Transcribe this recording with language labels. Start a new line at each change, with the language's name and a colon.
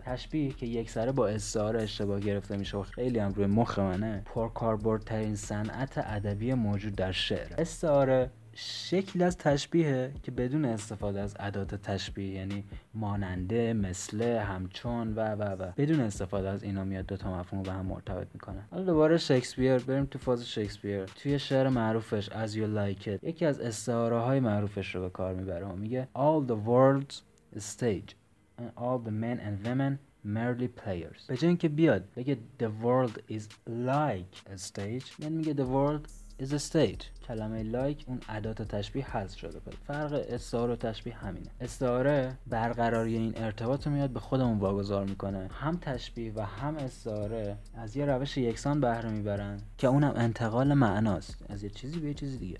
Persian: تشبیه که یکسره با استعاره اشتباه گرفته میشه و خیلی هم روی مخ منه، پرکاربردترین صنعت ادبی موجود در شعر. استعاره شکل از تشبیهه که بدون استفاده از ادات تشبیه، یعنی ماننده، مثل، همچون و و و، بدون استفاده از اینا میاد دوتا مفهوم رو به هم مرتبط میکنه. حالا دوباره شکسپیر، بریم تو فاز شکسپیر. توی شعر معروفش As You Like It یکی از استعاره های معروفش رو به کار میبره و میگه
English: All the world's stage and all the men and women merely players.
Persian: به جای اینکه بیاد بگه
English: The world is like a stage،
Persian: من میگه
English: The world is a stage.
Persian: کلمه like اون ادات تشبیه حذف شده بود. فرق استعاره و تشبیه همینه. استعاره برقراری این ارتباط رو میاد به خودمون واگذار میکنه. هم تشبیه و هم استعاره از یه روش یکسان بهره میبرن که اونم انتقال معناست از یه چیزی به یه چیز دیگه.